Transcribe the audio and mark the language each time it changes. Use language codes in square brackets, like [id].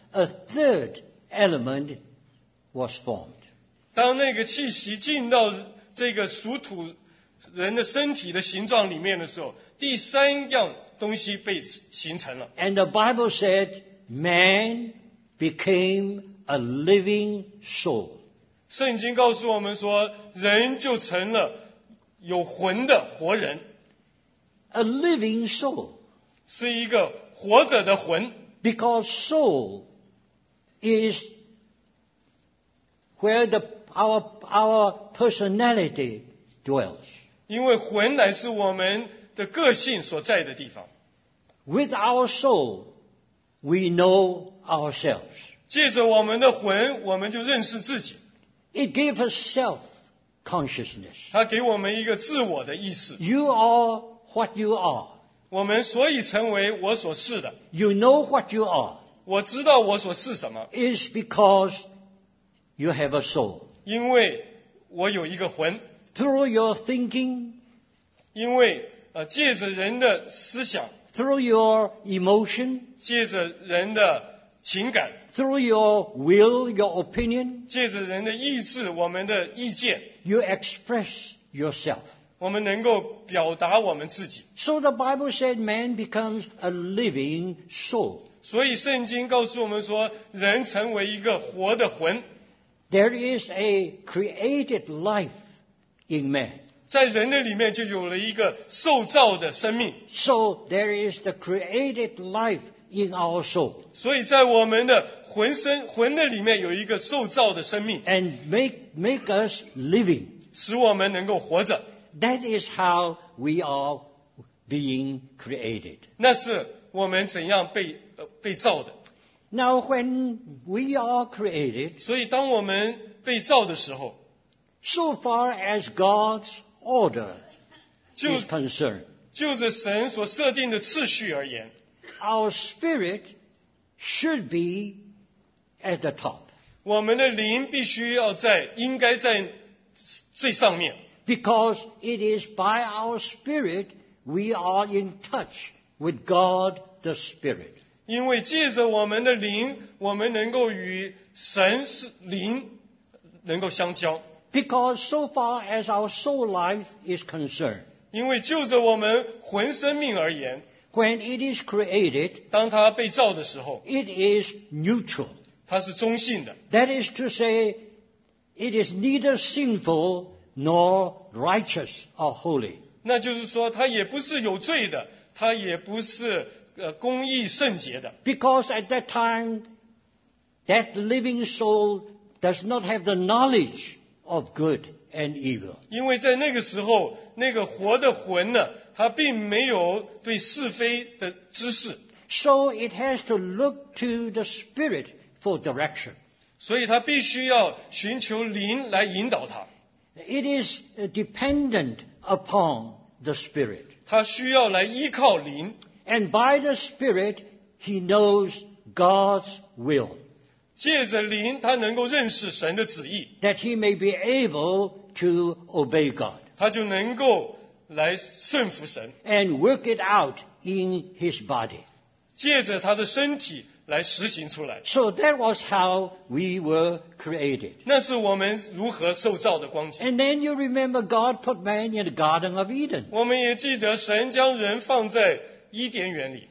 [en] A third element was formed. [zh] 当那个气息进到这个属土人的身体的形状里面的时候，第三样东西被形成了。 [en] And the Bible said, man became a living soul. [zh] 圣经告诉我们说，人就成了有魂的活人。 [en] A living soul. [zh] 是一个活着的魂。 [en] Because soul is where our personality dwells. [zh] 因为魂乃是我们的个性所在的地方。 [en] With our soul, we know ourselves. [zh] 借着我们的魂，我们就认识自己。 [en] It gives us self-consciousness. [zh] 它给我们一个自我的意识。 [en] You are what you are. [zh] 我们所以成为我所是的。 [en] You know what you are. [zh] 我知道我所是什么。 [en] Is because you have a soul. [zh] 因为我有一个魂。 [en] Through your thinking. [zh] 因为借着人的思想。 [en] Through your emotion. [zh] 借着人的情感。 [en] Through your will, your opinion. [zh] 借着人的意志，我们的意见。 [en] You express yourself. [zh] 我们能够表达我们自己。 [en] So the Bible said man becomes a living soul. [zh] 所以圣经告诉我们说，人成为一个活的魂。 [en] There is a created life in man. [zh] 在人的里面就有了一个受造的生命。 [en] So there is the created life in our soul. [zh] 所以在我们的魂的里面有一个受造的生命。 [en] And make us living. [zh] 使我们能够活着。 [en] That is how we are being created. [zh] 那是我们怎样被造的。 [en] Now when we are created, [zh] 所以当我们被造的时候， [en] so far as God's order is concerned, [zh] 就着神所设定的次序而言， [en] our spirit should be at the top. [zh] 我们的灵必须要在应该在最上面。 [en] Because it is by our spirit we are in touch with God the Spirit. [zh] 因为借着我们的灵，我们能够与神灵能够相交。 [en] Because so far as our soul life is concerned. [zh] 因为就着我们魂生命而言。 [en] When it is created, [zh] 当它被造的时候, [en] it is neutral. [zh] 它是中性的。 [en] That is to say, it is neither sinful nor righteous or holy. [zh] 那就是说它也不是有罪的，它也不是公义圣洁的。 [en] Because at that time, that living soul does not have the knowledge of good and evil. [zh] 因为在那个时候，那个活的魂呢，他并没有对是非的知识。 [en] So it has to look to the Spirit for direction. [zh] 所以他必须要寻求灵来引导他。 [en] It is dependent upon the Spirit. [zh] 他需要来依靠灵。 [en] And by the Spirit, he knows God's will. [zh] 借着灵，他能够认识神的旨意。 [en] That he may be able to obey God. [zh] 他就能够来顺服神 [en] and work it out in his body. [zh] 借着他的身体来实行出来。 [en] So that was how we were created. [zh] 那是我们如何受造的光景。 [en] And then you remember God put man in the Garden of Eden. [zh] 我们也记得神将人放在伊甸园里。